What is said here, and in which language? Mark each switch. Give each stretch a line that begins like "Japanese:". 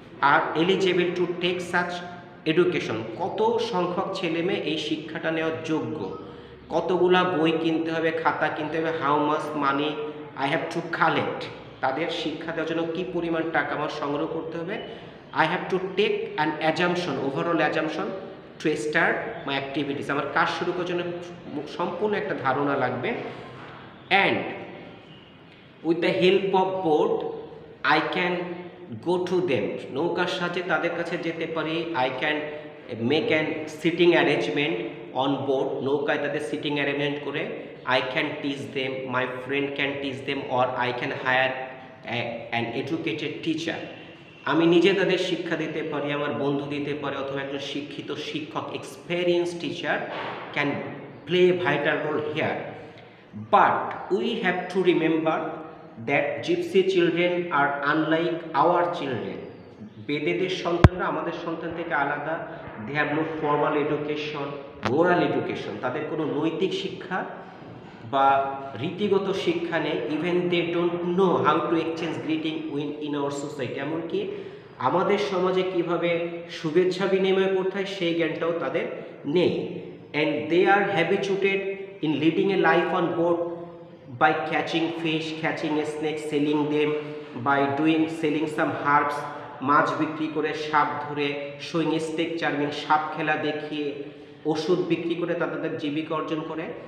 Bangla: আর
English: eligible to take such education,
Bangla: কত সংখ্যক ছেলে মেয়ে এই শিক্ষাটা নেওয়ার যোগ্য, কতগুলো বই কিনতে হবে, খাতা কিনতে হবে,
English: how much money I have to collect,
Bangla: তাদের শিক্ষা দেওয়ার জন্য কী পরিমাণ টাকা আমার সংগ্রহ করতে হবে,
English: I have to take an assumption, overall assumption to start my activities,
Bangla: আমার কাজ শুরু করার জন্য সম্পূর্ণ একটা ধারণা লাগবে।
English: And with the help of boat I can go to them.
Bangla: নৌকার সাথে তাদের কাছে যেতে পারি.
English: I can make a sitting arrangement on board.
Bangla: নৌকায় তাদের সিটিং অ্যারেঞ্জমেন্ট করে.
English: I can teach them, my friend can teach them, or I can hire an educated teacher.
Bangla: আমি নিজে তাদের শিক্ষা দিতে পারি, আমার বন্ধু দিতে পারে, অথবা একজন শিক্ষিত শিক্ষক
English: experienced teacher can play a vital role here. But we have to remember that gypsy children are unlike our children.
Bangla: বেদেদের সন্তানরা আমাদের সন্তান থেকে আলাদা.
English: They have no formal education, moral education.
Bangla: তাদের কোনো নৈতিক শিক্ষা বা রীতিগত শিক্ষা নেই.
English: Even they don't know how to exchange greeting win in our society.
Bangla: এমনকি আমাদের সমাজে কীভাবে শুভেচ্ছা বিনিময় করতে হয় সেই জ্ঞানটাও তাদের নেই.
English: and they are habituated in leading a life on board by catching fish, catching a snake, selling them, by doing selling some herbs,
Bangla: মাছ বিক্রি করে, সাপ ধরে, সুইং স্টেক চার্মিং, সাপ খেলা দেখিয়ে, ওষুধ বিক্রি করে তাদের জীবিকা অর্জন করে.